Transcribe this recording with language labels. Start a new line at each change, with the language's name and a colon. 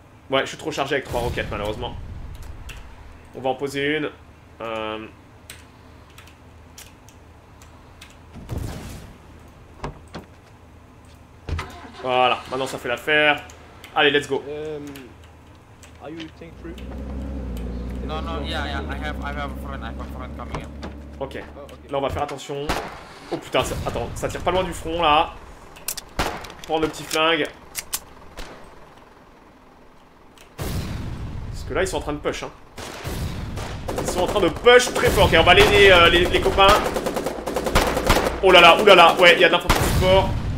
French: Ouais, je suis trop chargé avec 3 roquettes, malheureusement. On va en poser une. Voilà, maintenant ça fait l'affaire. Allez,
English: let's go. Are you tank through? No, no, yeah, yeah, I have a friend coming in.
French: Okay. Là, on va faire attention. Oh putain, ça tire pas loin du front là. Prendre le petit flingue. Parce que là, ils sont en train de push. Hein. Ils sont en train de push très fort. Ok, on va aider les copains. Oh là là, oh là là, ouais, il y a de l'infanterie support.